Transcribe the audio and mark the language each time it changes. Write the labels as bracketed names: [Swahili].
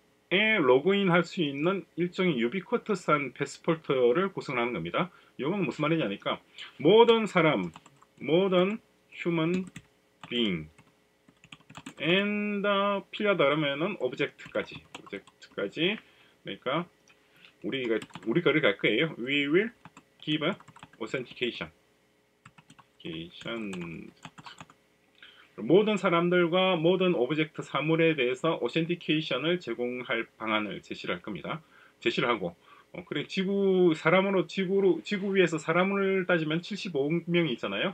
[Korean] 에 로그인할 수 있는 일종의 유비쿼터스한 패스포트를 구성하는 겁니다. 이건 무슨 말이냐니까 모든 사람, 모든 [English] human being and [Korean] 필요하다면은 object까지 object까지 그러니까 우리 거를 갈 거예요. [English] We will give authentication. [Korean] authentication 모든 사람들과 모든 object 사물에 대해서 authentication을 제공할 방안을 제시할 겁니다. 제시를 하고 그래 지구 위에서 사람을 따지면 75억 명이 있잖아요.